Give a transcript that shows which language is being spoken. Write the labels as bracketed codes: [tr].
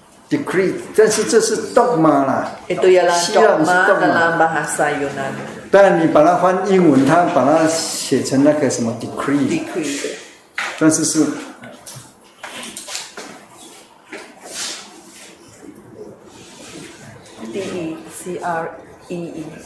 [zh] Decree， 但是这是 dogma 啦。 [ms] Itu ialah dogma dalam bahasa Yunani。 [zh] 但你把它翻英文，它把它写成那个什么 decree。 [en] Decree。 [zh] 但是是。 D-E-C-R-E-E。